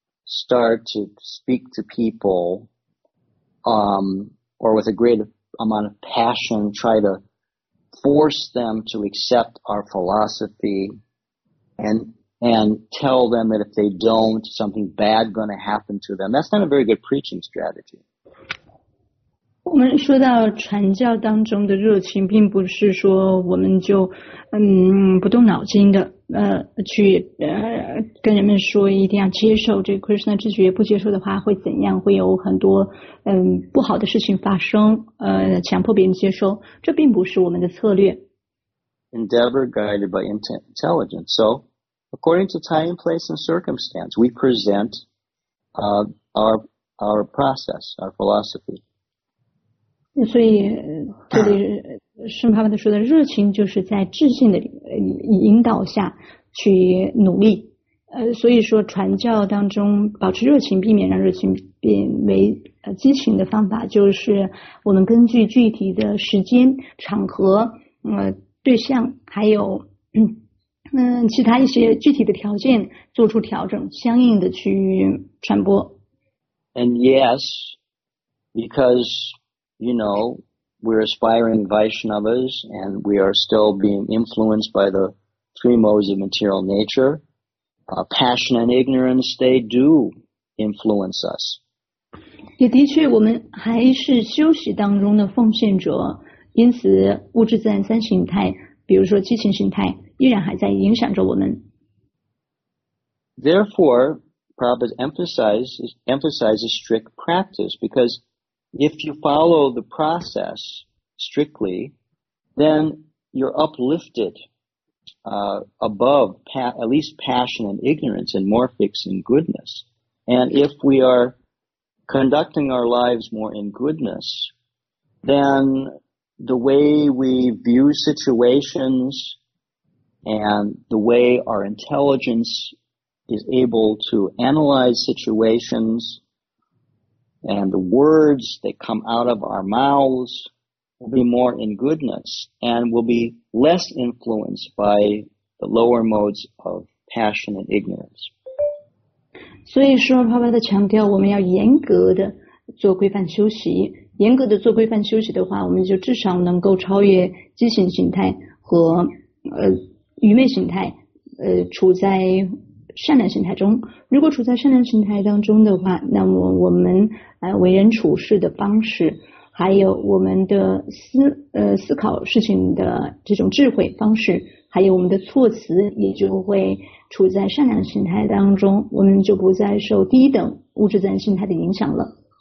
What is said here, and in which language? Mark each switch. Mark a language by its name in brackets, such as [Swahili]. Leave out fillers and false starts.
[English] Start to speak to people, or with a great amount of passion, try to force them to accept our philosophy, and tell them that if they don't, something bad going to happen to them. That's not a very good preaching strategy. [Chinese] 我们说到传教当中的热情，并不是说我们就不动脑筋的。去跟人们说一定要接受这个 Krishna 之觉，不接受的话会怎样？会有很多不好的事情发生。强迫别人接受，这并不是我们的策略。 [English] Endeavor guided by intelligence. So, according to time, place, and circumstance, we present our process, our philosophy. [Chinese] 所以这里圣帕帕的说的热情就是在智性的引导下去努力所以说传教当中保持热情避免让热情变为激情的方法就是我们根据具体的时间场合对象还有其他一些具体的条件做出调整相应的去传播 [English] And yes becauseYou know, we're aspiring Vaishnavas and we are still being influenced by the three modes of material nature. Passion and ignorance, they do influence us. [Chinese] 也的确我们还是修习当中的奉献者因此物质自然三形态比如说激情形态依然还在影响着我们。 [English] Therefore, Prabhupada emphasizes strict practice, because if you follow the process strictly, then you're uplifted above at least passion and ignorance and more fixing goodness. And if we are conducting our lives more in goodness, then the way we view situations and the way our intelligence is able to analyze situations and the words that come out of our mouths will be more in goodness and will be less influenced by the lower modes of passion and ignorance. [Chinese] 所以说帕巴的强调我们要严格的做规范修习，严格的做规范修习的话，我们就至少能够超越畸形形态和愚昧形态，处在善良形态中。如果处在善良形态当中的话，那么我们为人处事的方式，还有我们的思考事情的这种智慧方式，还有我们的措辞也就会处在善良形态当中，我们就不再受低等物质自然形态的影响了。